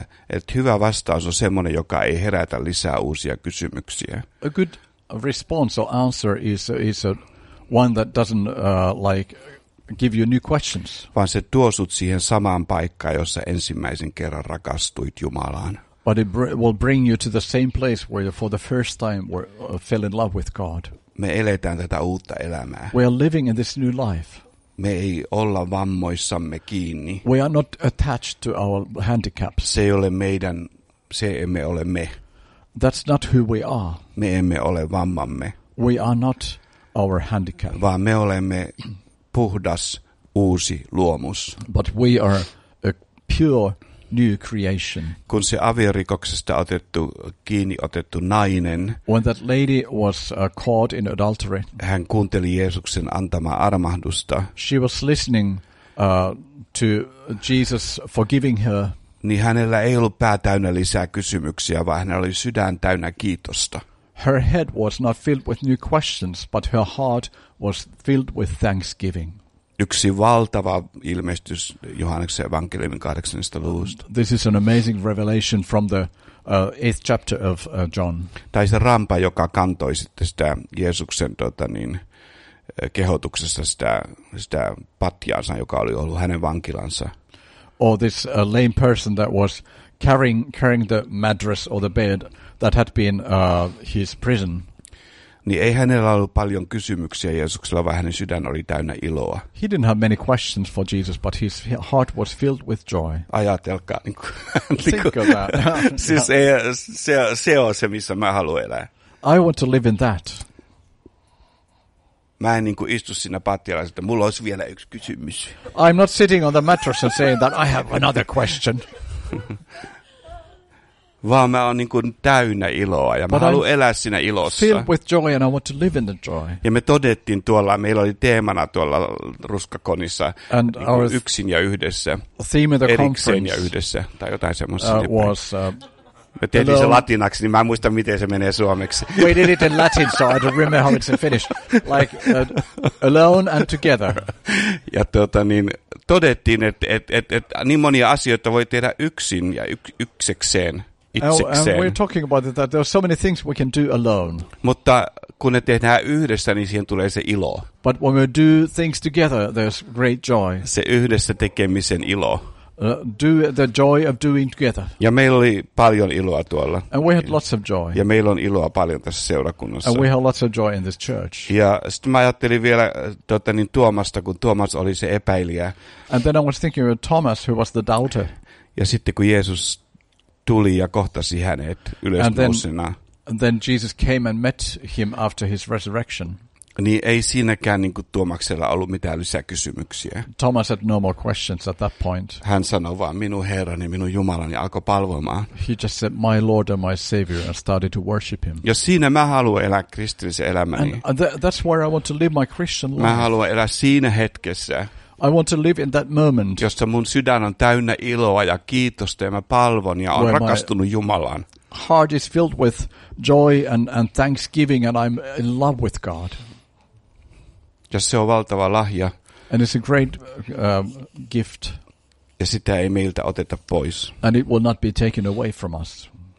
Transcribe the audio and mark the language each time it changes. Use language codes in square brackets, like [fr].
[fi] Että hyvä vastaus on semmoinen, joka ei herätä lisää uusia kysymyksiä. [en] A good response or answer is a one that doesn't give you new questions. [fi] Vaan se tuo sut siihen samaan paikkaan, jossa ensimmäisen kerran rakastuit Jumalaan. [en] But it will bring you to the same place where you for the first time fell in love with God. [fi] Me eletään tätä uutta elämää. [en] We are living in this new life. [fi] Me ei olla vammoissamme kiinni. [en] We are not attached to our handicaps. [fi] Se ei ole meidän, se emme ole me. [en] That's not who we are. [fi] Me emme ole vammamme. [en] We are not our handicap. [fi] Vaan me olemme puhdas uusi luomus. [en] But we are a pure new creation. [fi] Kun se aviorikoksesta otettu kiinni otettu nainen, [en] when that lady was caught in adultery, [fi] hän kuunteli Jeesuksen antamaa armahdusta. [en] She was listening to Jesus forgiving her. [fi] Niin hänellä ei ollut pää täynnä lisää kysymyksiä, vaan hän oli sydän täynnä kiitosta. [en] Her head was not filled with new questions, but her heart was filled with thanksgiving. [fi] Yksi valtava ilmestys Johanneksen evankeliumin 18. luvusta. [en] This is an amazing revelation from the 8th chapter of John. [fi] Tai se rampa, joka kantoi sitten sitä Jeesuksen kehotuksessa sitä patjaansa, joka oli ollut hänen vankilansa. [en] Or this lame person that was carrying the mattress or the bed that had been his prison. [fi] Niin ei hänellä ollut paljon kysymyksiä Jeesuksella, vaan hänen sydän oli täynnä iloa. [en] He didn't have many questions for Jesus, but his heart was filled with joy. [fi] Ajatelkaa. [en] Think of that. [fi] Siis se on se, missä mä haluan elää. [en] I want to live in that. [fi] Mä en niin kuin istu siinä pattialla, että mulla olisi vielä yksi kysymys. [en] I'm not sitting on the mattress and saying that I have another question. [fi] Vaan mä oon niin kuin täynnä iloa ja mä haluan elää siinä ilossa. [en] Filled with joy and I want to live in the joy. [fi] Ja me todettiin tuolla, meillä oli teemana tuolla ruskakonissa niin yksin ja yhdessä. [en] Theme of the [fi] erikseen ja yhdessä tai jotain semmoista. [en] Was, [fi] mä tein se latinaksi, niin mä en muista miten se menee suomeksi. [en] We did it in Latin, so I don't remember how it's in Finnish. Like alone and together. [fi] Ja todettiin, että et niin monia asioita voi tehdä yksin ja yksekseen. [en] And we're talking about that there are so many things we can do alone. [fi] Mutta kun ne tehdään yhdessä, niin siihen tulee se ilo. [en] But when we do things together, there's great joy. [fi] Se yhdessä tekemisen ilo. [en] Do the joy of doing together. [fi] Ja meillä oli paljon iloa tuolla. [en] And we had lots of joy. [fi] Ja meillä on iloa paljon tässä seurakunnassa. [en] And we had lots of joy in this church. [fi] Ja sitten mä ajattelin vielä Tuomasta, kun Tuomas oli se epäilijä. [en] And then I was thinking of Thomas, who was the doubter. [fi] Ja sitten kun Jeesus tuli ja kohtasi hänet ylösnousena. [en] And then Jesus came and met him after his resurrection. [fi] Niin ei siinäkään niin kuin Tuomaksella ollut mitään lisää kysymyksiä. [en] Thomas had no more questions at that point. [fi] Hän sanoi vaan minun Herrani, minun Jumalani, alkoi palvomaan. [en] He just said my Lord and my Savior and started to worship him. [fi] Ja siinä mä haluan elää kristillisen elämäni. [en] And that's where I want to live my Christian life. [fi] Mä haluan elää siinä hetkessä. [en] I want to live in that moment. [fi] Jossa mun sydän on täynnä iloa ja kiitosta ja mä palvon ja olen rakastunut Jumalaan. [en] Heart is filled with joy and thanksgiving and I'm in love with God. [fi] Ja se on valtava lahja. [en] And it's a great gift. [fi] Ja sitä ei meiltä oteta pois. [en] And it will not be taken away from us.